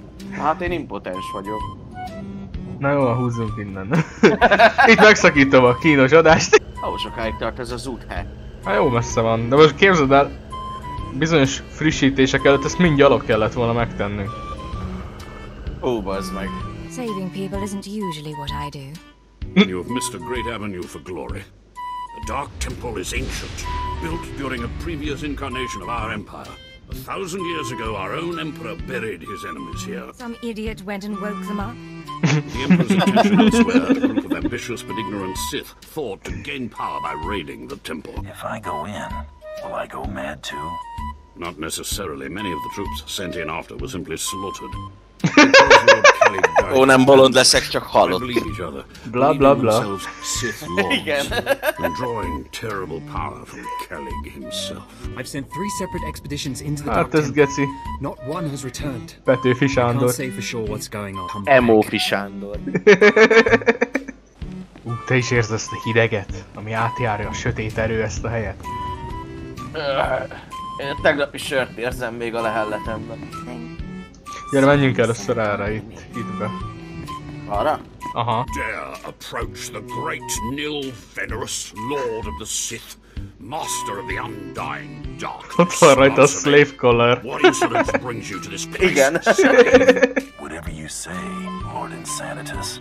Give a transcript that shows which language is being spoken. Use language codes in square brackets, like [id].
[hu] Hát én impotens vagyok. Na jó, húzzunk innen. Itt megszakítom a kínos adást. Ahol sokáig tart ez az út, hát? Hát jó messze van, de most képzeld el, bizonyos frissítések előtt ezt mind gyalog kellett volna megtennünk. Ó, bazd meg. [en] Saving people isn't usually what I do. You have missed a great avenue for glory. The Dark Temple is ancient, built during a previous incarnation of our empire. A thousand years ago, our own emperor buried his enemies here. Some idiot went and woke them up. The emperor's intention elsewhere, a group of ambitious but ignorant Sith thought to gain power by raiding the temple. If I go in, will I go mad too? Not necessarily. Many of the troops sent in after were simply slaughtered. [hu] Ó, nem bolond leszek, csak halott. Bla bla bla. Igen. [en] And drawing terrible power from Kellig himself. I've sent three separate expeditions into the Dark Temple. Not one has returned. Petőfi Sándor. I can't say for sure what's going on. Emófi Sándor. [hu] Te is érzed ezt a hideget, ami átjárja a sötét erő ezt a helyet. Én a tegnapi sört érzem még a lehelletemben. Gyere, menjünk először erre itt, hitbe. Arra? Aha. [en] Dare approach the great Nilvenerous Lord of the Sith, master of the undying darkness. [hu] Ott van rajta a slave collar. [en] What incident brings you to this place? [hu] Igen. [en] Whatever you say, Lord Insanitas.